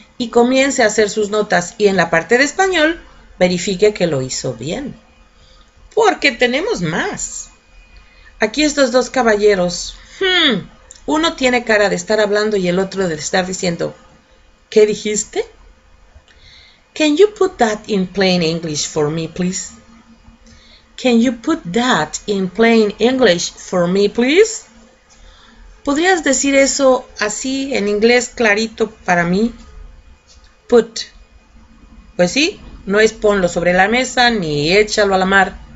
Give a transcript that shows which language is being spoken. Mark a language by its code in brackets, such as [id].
[es] Y comience a hacer sus notas y en la parte de español verifique que lo hizo bien. Porque tenemos más. Aquí estos dos caballeros. Uno tiene cara de estar hablando y el otro de estar diciendo, ¿qué dijiste? [en] Can you put that in plain English for me, please? Can you put that in plain English for me, please? [es] ¿Podrías decir eso así en inglés clarito para mí? Put. Pues sí, no es ponlo sobre la mesa ni échalo a la mar.